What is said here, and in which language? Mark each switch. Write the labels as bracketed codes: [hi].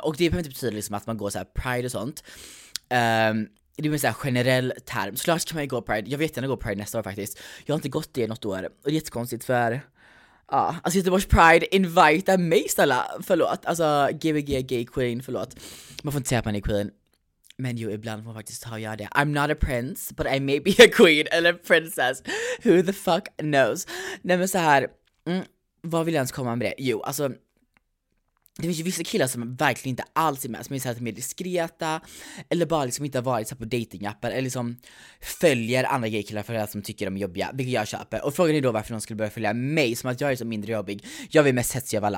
[sv] Och det behöver inte betyda liksom att man går så här pride och sånt. Det är en sån här generell term. Såklart kan man ju gå pride. Jag vet gärna gå pride nästa år faktiskt. Jag har inte gått det i något år. Och det är jättekonstigt för alltså Göteborgs pride, invita mig snälla. Förlåt. Alltså GBG gay queen, förlåt. Man får inte säga att man är queen. Men ju ibland får man faktiskt ta och göra det. [en] I'm not a prince, but I may be a queen eller princess. Who the fuck knows. [sv] Nej men så här. Vad vill jag ens komma med det? Jo, alltså det finns ju vissa killar som verkligen inte alls är med, som är såhär mer diskreta, eller bara liksom inte har varit såhär på datingappar, eller liksom följer andra gaykillar för att de tycker de är jobbiga, vilket jag köper. Och frågan är då varför de skulle börja följa mig, som att jag är så mindre jobbig. Jag är mest hetsig av alla.